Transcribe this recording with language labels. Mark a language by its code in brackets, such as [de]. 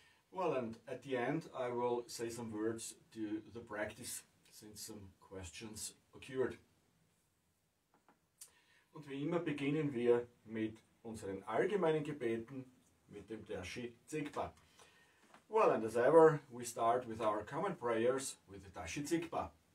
[en] Well, and at the end I will say some words to the practice, since some questions occurred. [de] Und wie immer beginnen wir mit unseren allgemeinen Gebeten, mit dem Tashi Zigpa. [en] Well, and as ever, we start with our common prayers with the Tashi Zigpa.